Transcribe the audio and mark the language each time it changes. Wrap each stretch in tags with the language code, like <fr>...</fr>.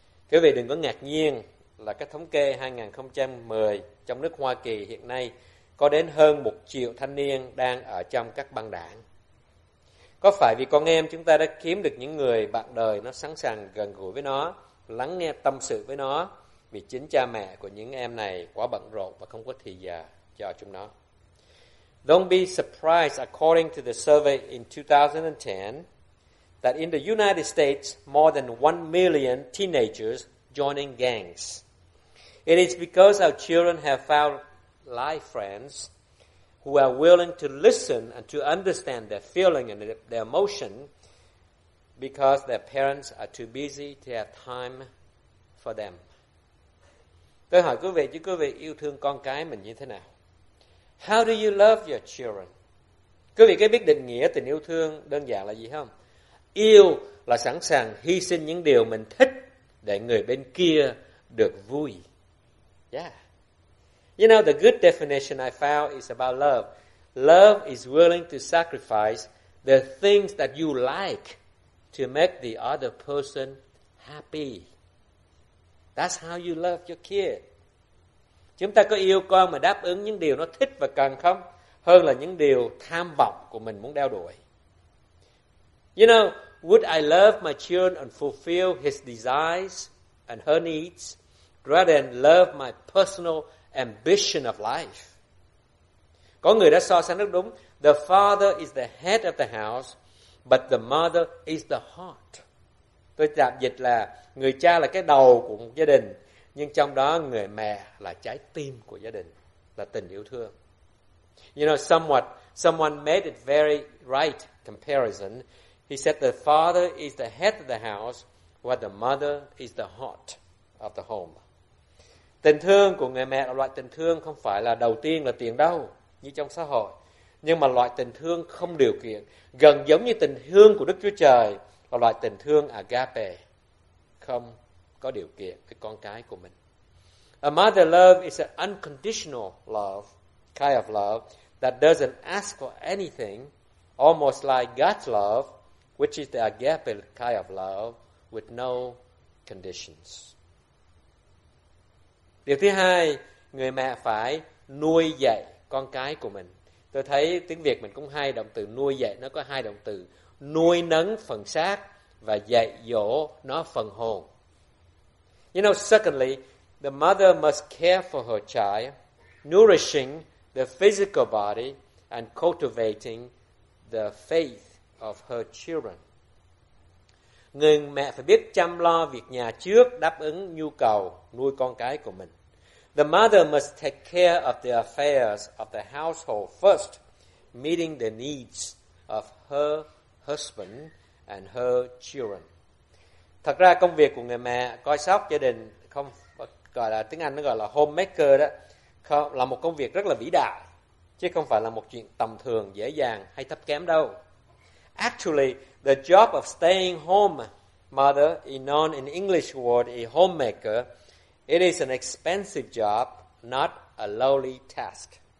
<vi>Quý vị đừng có ngạc nhiên là cái thống kê 2010 trong nước Hoa Kỳ hiện nay có đến hơn 1 triệu thanh niên đang ở trong các băng đảng. Có phải vì con em chúng ta đã kiếm được những người bạn đời nó sẵn sàng gần gũi với nó, lắng nghe tâm sự với nó, vì chính cha mẹ của những em này quá bận rộn và không có thời giờ cho chúng nó.</vi> <en>Don't be surprised, according to the survey in 2010, that in the United States, more than 1 million teenagers joining gangs. It is because our children have found life friends who are willing to listen and to understand their feeling and their emotion because their parents are too busy to have time for them.</en> <vi>Tôi hỏi quý vị, chứ quý vị yêu thương con cái mình như thế nào?</vi> <en>How do you love your children?</en> <vi>Quý vị có biết định nghĩa tình yêu thương đơn giản là gì không? Yêu là sẵn sàng hy sinh những điều mình thích để người bên kia được vui. Yeah.</vi> <en>You know, the good definition I found is about love. Love is willing to sacrifice the things that you like to make the other person happy. That's how you love your kid.</en> <vi>Chúng ta có yêu con mà đáp ứng những điều nó thích và cần không? Hơn là những điều tham vọng của mình muốn đeo đuổi.</vi> <en>You know, would I love my children and fulfill his desires and her needs rather than love my personal ambition of life?</en> <vi>Có người đã so sánh rất đúng.</vi> <en>The father is the head of the house, but the mother is the heart.</en> <vi>Tôi tạm dịch là người cha là cái đầu của một gia đình, nhưng trong đó người mẹ là trái tim của gia đình, là tình yêu thương.</vi> <en>You know, someone made it very right comparison. He said the father is the head of the house, while the mother is the heart of the home.</en> <vi>Tình thương của người mẹ là loại tình thương không phải là đầu tiên là tiền đâu, như trong xã hội, nhưng mà loại tình thương không điều kiện, gần giống như tình thương của Đức Chúa Trời, là loại tình thương agape, không có điều kiện với con cái của mình.</vi> <en>A mother love is an unconditional love, kind of love, that doesn't ask for anything, almost like God's love, which is the agape kind of love, with no conditions.</en> <vi>Điều thứ hai, người mẹ phải nuôi dạy con cái của mình. Tôi thấy tiếng Việt mình cũng hay động từ nuôi dạy, nó có hai động từ. Nuôi nấng phần xác và dạy dỗ nó phần hồn.</vi> <en>You know, secondly, the mother must care for her child, nourishing the physical body and cultivating the faith of her children.</en> <vi>Người mẹ phải biết chăm lo việc nhà trước, đáp ứng nhu cầu nuôi con cái của mình.</vi> <en>The mother must take care of the affairs of the household first, meeting the needs of her husband and her children.</en> <vi>Thật ra công việc của người mẹ coi sóc gia đình, không gọi là tiếng Anh nó gọi là homemaker đó, không, là một công việc rất là vĩ đại, chứ không phải là một chuyện tầm thường, dễ dàng hay thấp kém đâu.</vi> <en>Actually, the job of staying home mother, known in English word a homemaker, it is an expensive job, not a lowly task.</en>